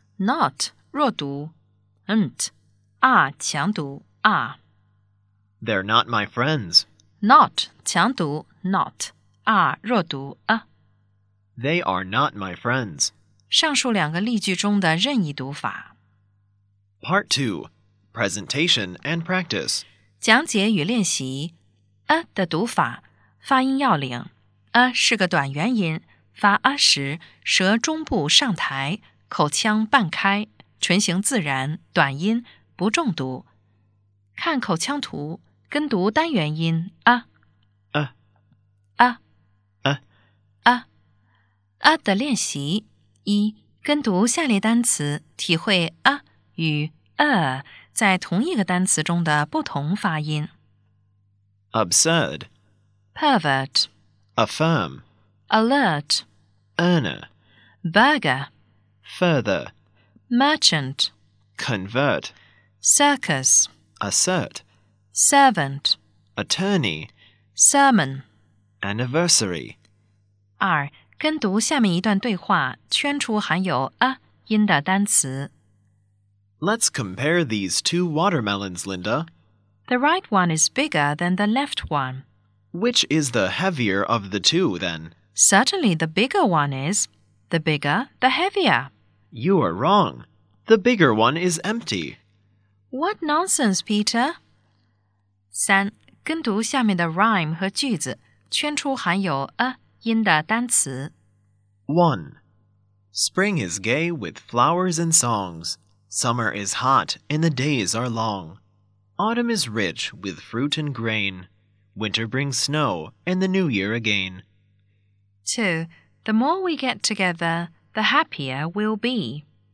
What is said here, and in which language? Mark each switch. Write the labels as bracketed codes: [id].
[en] Not. [zh] 弱读 [en] Aren't. Are [zh] 强读 [en] Are. They're not my friends. Not. [zh] 强读 [en] Not. Are [zh] 弱读 [en] A. They are not my friends. [zh] 上述两个例句中的任意读法。 [en] Part 2. Presentation and Practice [zh] 讲解与练习 A 的读法发音要领 A 是个短元音发 A 时舌中部上抬口腔半开唇形自然短音不重读看口腔图跟读单元音 A A A A A A 的练习一、跟读下列单词，体会啊与在同一个单词中的不同发音。 [en] Absurd, pervert, affirm, alert, earner, burger, further, merchant, convert, circus, assert, servant, attorney, sermon, anniversary. [zh] 二、跟读下面一段对话，圈出含有 a 音的单词。 [en] Let's compare these two watermelons, Linda. The right one is bigger than the left one. Which is the heavier of the two, then? Certainly the bigger one is. The bigger, the heavier. You are wrong. The bigger one is empty. What nonsense, Peter? [zh] 三、跟读下面的 rhyme 和句子，圈出含有 a音的单词 [en] 1. Spring is gay with flowers and songs. Summer is hot and the days are long. Autumn is rich with fruit and grain. Winter brings snow and the new year again. 2. The more we get together, the happier we'll be.